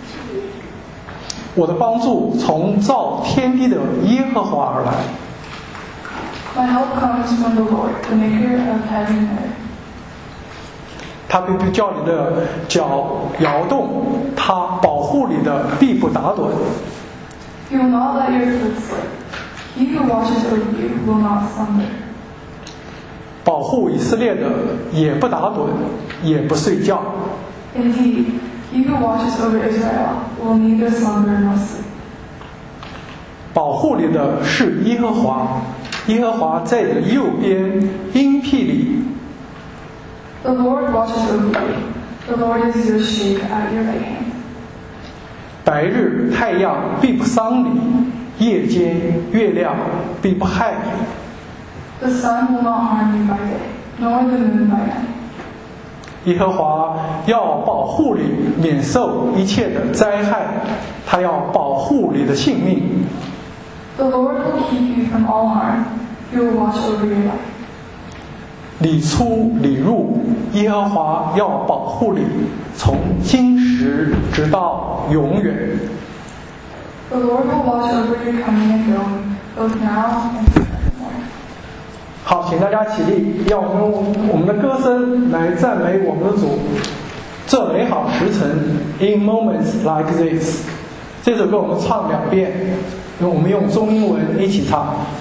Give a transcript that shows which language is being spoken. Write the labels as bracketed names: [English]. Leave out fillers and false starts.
[English] I lift up my eyes to the mountains. Where does my help come from? My help comes from the Lord, the maker of heaven and earth. [Chinese] He 必叫你的脚摇动，他保护你的必不打盹。 [English] He will not let your foot slip. He who watches over you will not slumber. [Chinese] 保护以色列的也不打盹，也不睡觉。 [English] Indeed, he who watches over Israel will neither slumber nor sleep. [Chinese] 保护你的是耶和华，耶和华在你右边，荫庇里。 [English] The Lord watches over you. The Lord is your shade at your right hand. [Chinese] 白日太阳必不伤你，夜间月亮必不害你。 [English] The sun will not harm you by day, nor the moon by night. [Chinese] 耶和华要保护你免受一切的灾害，他要保护你的性命。 [English] The Lord will keep you from all harm. He will watch over your life. [Chinese] 你出你入，耶和华要保护你，从今时直到永远。 [English] The Lord will watch over your coming and going, both now and forevermore. [Chinese] 好，请大家起立，让我们用我们的歌声来赞美我们的主。这美好时辰 ， [English] In moments like this， [Chinese] 这首歌我们唱两遍，我们用中英文一起唱。